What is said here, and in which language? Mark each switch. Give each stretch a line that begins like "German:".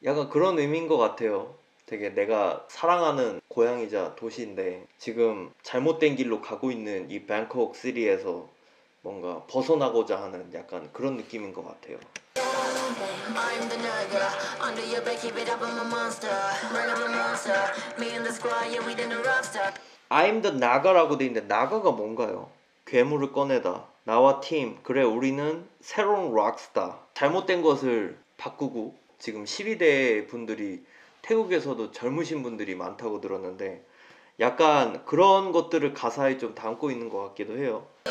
Korean: 약간 그런 의미인 것 같아요. 되게 내가 사랑하는 고향이자 도시인데 지금 잘못된 길로 가고 있는 이 Bangkok City에서 뭔가 벗어나고자 하는 약간 그런 느낌인 것 같아요.
English: I'm the nigga under your bed, keep it up, I'm a monster. Run up a monster. Me and the squad, yeah, we're the rockstar. I'm the Naga라고
Korean: 돼 있는데 Naga가 뭔가요? 괴물을 꺼내다. 나와 팀, 그래 우리는 새로운 락스타. 잘못된 것을 바꾸고 지금 12대 분들이 태국에서도 젊으신 분들이 많다고 들었는데 약간 그런 것들을 가사에 좀 담고 있는 것 같기도 해요.